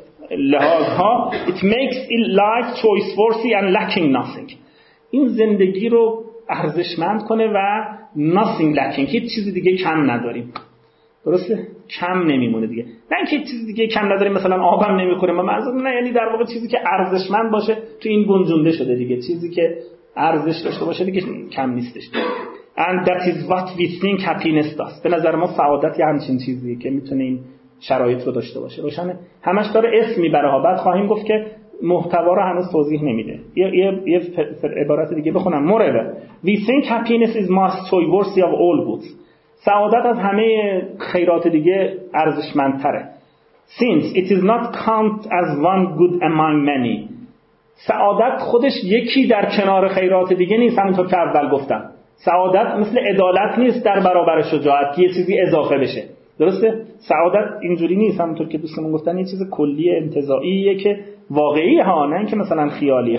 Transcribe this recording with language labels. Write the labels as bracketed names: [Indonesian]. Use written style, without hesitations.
[Persian] لحاظ ها، [English] it makes a life choice-worthy and lacking nothing، [Persian] این زندگی رو ارزشمند کنه و [English] nothing lacking، [Persian] هیچ چیز دیگه کم نداریم، درسته؟ کم نمیمونه دیگه، نه اینکه چیز دیگه کم نداریم مثلا آبم نمیخوریم، منظورم نه، یعنی در واقع چیزی که ارزشمند باشه تو این گنجونده شده دیگه، چیزی که ارزش داشته باشه دیگه کم نیستش. [English] And that is what we think happiness does، [Persian] به نظر ما سعادت یه همچین چیزیه که میتونه این شرایط رو داشته باشه. روشنه؟ همش داره اسم میبره ها، بعد خواهیم گفت که محتوا رو هنوز توضیح نمیده. یه عبارت دیگه بخونم. [English] Moreover, we think happiness is most worthy of all goods. [Persian] سعادت از همه خیرات دیگه ارزشمندتره. [English] Since it is not count as one good among many. [Persian] سعادت خودش یکی در کنار خیرات دیگه نیست، همونطور که اول گفتم. سعادت مثل عدالت نیست در برابر شجاعت که یه چیزی اضافه بشه. درسته؟ سعادت اینجوری نیست، همونطور که دوستمون گفتن، یه چیز کلی انتزاعیه که واقعی ها، نه این که مثلا خیالی.